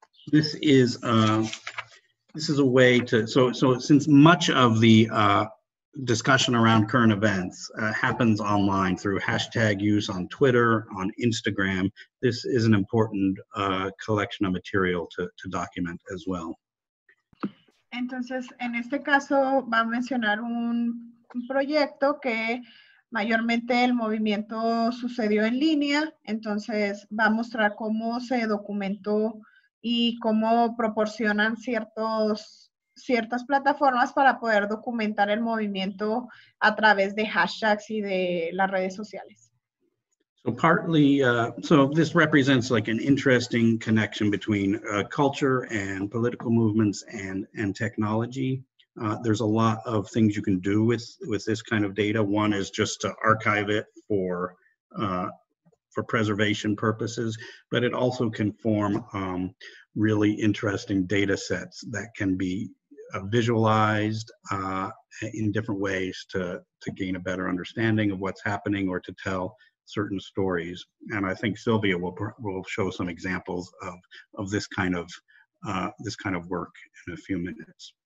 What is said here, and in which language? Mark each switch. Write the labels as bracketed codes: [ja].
[en] This is a way to, so since much of the discussion around current events happens online through hashtag use on Twitter, on Instagram, this is an important collection of material to document as well. [es] Entonces, en este caso, va a mencionar un proyecto que mayormente el movimiento sucedió en línea. Entonces, va a mostrar cómo se documentó y cómo proporcionan ciertas plataformas para poder documentar el movimiento a través de hashtags y de las redes sociales. [en] So partly, this represents like an interesting connection between culture and political movements and technology. There's a lot of things you can do with this kind of data. One is just to archive it for preservation purposes, but it also can form really interesting data sets that can be visualized in different ways to gain a better understanding of what's happening or to tell certain stories, and I think Sylvia will show some examples of this kind of work in a few minutes.